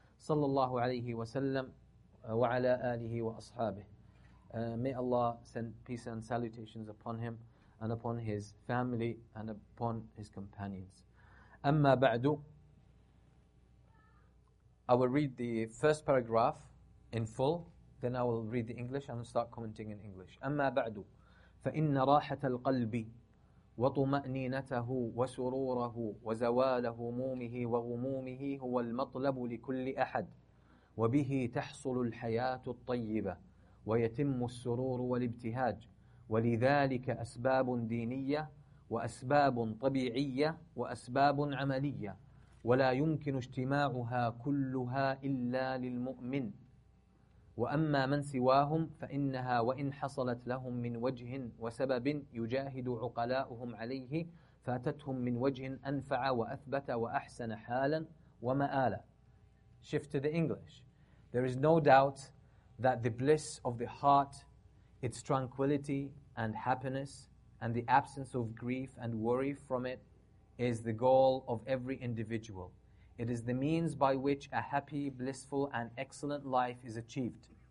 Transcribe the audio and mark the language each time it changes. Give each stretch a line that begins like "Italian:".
English: Sallallahu alayhi wa sallam.
Arabic: وَعَلَىٰ آلِهِ وَأَصْحَابِهِ
English: May Allah send peace and salutations upon him and upon his family and upon his companions.
Arabic: أَمَّا بَعْدُ
English: I will read the first paragraph in full, then I will read the English and start commenting in English.
Arabic: أَمَّا بَعْدُ فَإِنَّ رَاحَةَ الْقَلْبِ وَطُمَأْنِينَتَهُ وَسُرُورَهُ وَزَوَالَ هُمُومِهِ وَغُمُومِهِ هُوَ الْمَطْلَبُ لِكُلِّ أَحَدٍ وبه تحصل الحياة الطيبة ويتم السرور والابتهاج ولذلك أسباب دينية وأسباب طبيعية وأسباب عملية ولا يمكن اجتماعها كلها إلا للمؤمن وأما من سواهم فإنها وإن حصلت لهم من وجه وسبب يجاهد عقلاؤهم عليه فاتتهم من وجه أنفع وأثبت وأحسن حالا ومآلا.
English: Shift to the English. There is no doubt that the bliss of the heart, its tranquility and happiness, and the absence of grief and worry from it is the goal of every individual. It is the means by which a happy, blissful, and excellent life is achieved.